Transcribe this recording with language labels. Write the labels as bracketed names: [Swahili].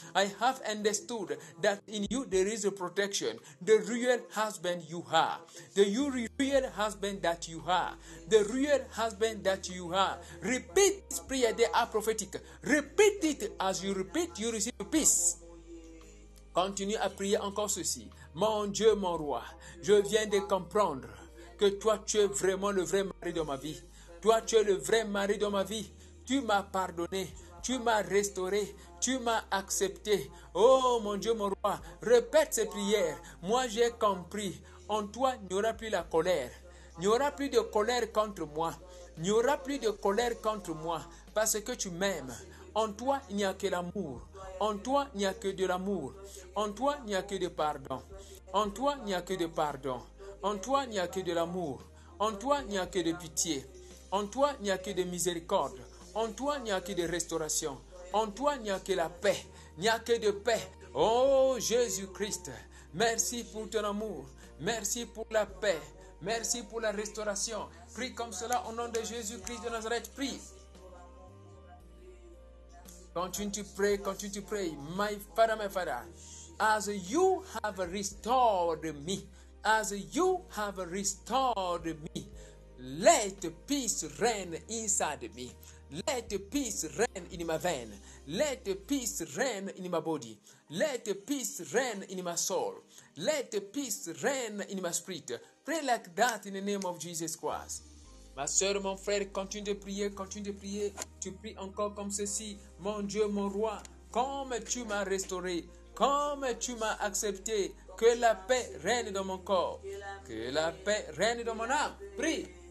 [English] I have understood that in you there is protection. The real husband you are. The real husband that you are. The real husband that you are. Repeat this prayer. They are prophetic. Repeat it. As you repeat, you receive peace. [French] Continue à prier encore ceci. Mon Dieu, mon roi, je viens de comprendre que toi, tu es vraiment le vrai mari de ma vie. Toi, tu es le vrai mari de ma vie. Tu m'as pardonné. Tu m'as restauré. Tu m'as accepté. Oh, mon Dieu, mon roi, répète ces prières. Moi, j'ai compris. En toi, il n'y aura plus la colère. Il n'y aura plus de colère contre moi. Il n'y aura plus de colère contre moi parce que tu m'aimes. En toi, il n'y a que l'amour. En toi, il n'y a que de l'amour. En toi, il n'y a que de pardon. En toi, il n'y a que de pardon. En toi, il n'y a que de l'amour. En toi, il n'y a que de pitié. En toi, il n'y a que de miséricorde. En toi, il n'y a que de restauration. En toi, il n'y a que la paix. Il n'y a que de paix. Oh, Jésus-Christ, merci pour ton amour. Merci pour la paix. Merci pour la restauration. Prie comme cela au nom de Jésus-Christ de Nazareth. Prie. [English] Continue to pray, continue to pray. My Father, as you have restored me, as you have restored me, let peace reign inside me. Let peace reign in my vein. Let peace reign in my body. Let peace reign in my soul. Let peace reign in my spirit. Pray like that in the name of Jesus Christ. [French] Ma soeur, mon frère, continue de prier, continue de prier. Tu pries encore comme ceci. Mon Dieu, mon roi, comme tu m'as restauré, comme tu m'as accepté, que la paix règne dans mon corps, que la paix règne dans mon âme. Prie.